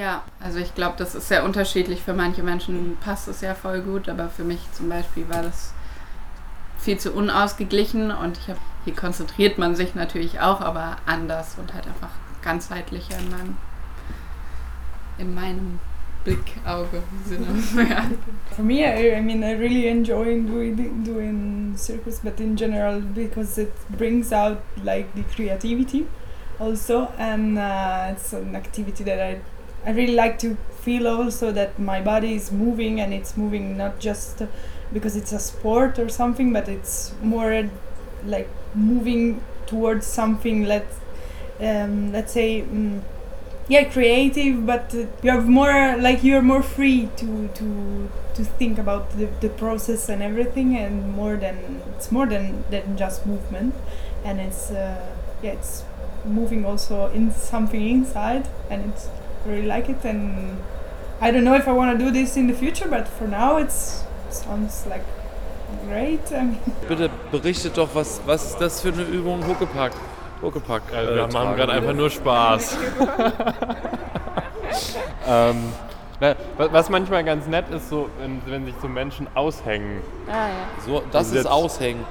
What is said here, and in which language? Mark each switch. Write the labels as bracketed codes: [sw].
[de] Ja, also ich glaube, das ist sehr unterschiedlich. Für manche Menschen passt es ja voll gut, aber für mich zum Beispiel war das viel zu unausgeglichen und ich habe, hier konzentriert man sich natürlich auch, aber anders und halt einfach ganzheitlicher in meinem Blickauge-Sinne. [en] For me, I mean, I really enjoy doing circus, but in general because it brings out like the creativity also, and it's an activity that I really like to feel also that my body is moving and it's moving not just because it's a sport or something, but it's more like moving towards something, let's say creative, but you have more, like you're more free to think about the process and everything, and more than just movement, and it's moving also in something inside, and it's, I really like it, and I don't know if I want to do this in the future, but for now it's sounds like great. [de] Bitte berichtet doch, was ist das für eine Übung, Huckepack? Huckepack. Wir machen gerade einfach nur Spaß. was manchmal ganz nett ist, so wenn sich so Menschen aushängen. Ah, ja. So, das ist aushängen.